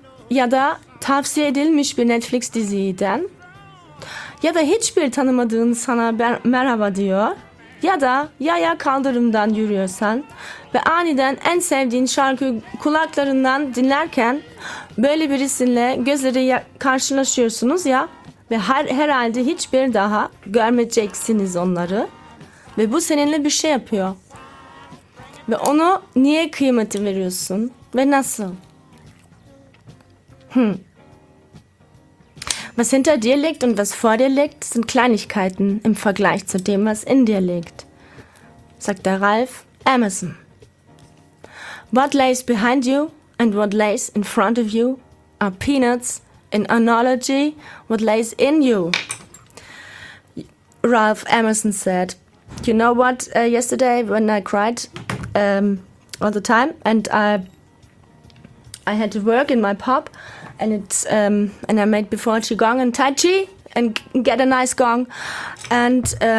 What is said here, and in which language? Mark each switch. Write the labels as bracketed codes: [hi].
[tr] ya da tavsiye edilmiş bir Netflix diziden ya da hiçbir tanımadığın sana merhaba diyor ya da yaya kaldırımdan yürüyorsan ve aniden en sevdiğin şarkıyı kulaklarından dinlerken böyle birisiyle gözleri karşılaşıyorsunuz ya ve herhalde hiçbir daha görmeyeceksiniz onları ve bu seninle bir şey yapıyor. Ve onu niye kıymeti veriyorsun? Ve nasıl? [de] Was hinter dir liegt und was vor dir liegt, sind Kleinigkeiten im Vergleich zu dem, was in dir liegt, sagt der Ralph Emerson. [en] What lays behind you and what lays in front of you are peanuts in analogy what lays in you, Ralph Emerson said. You know what, yesterday when I cried all the time and I had to work in my pub and it's and I made before qigong and tai chi and get a nice gong and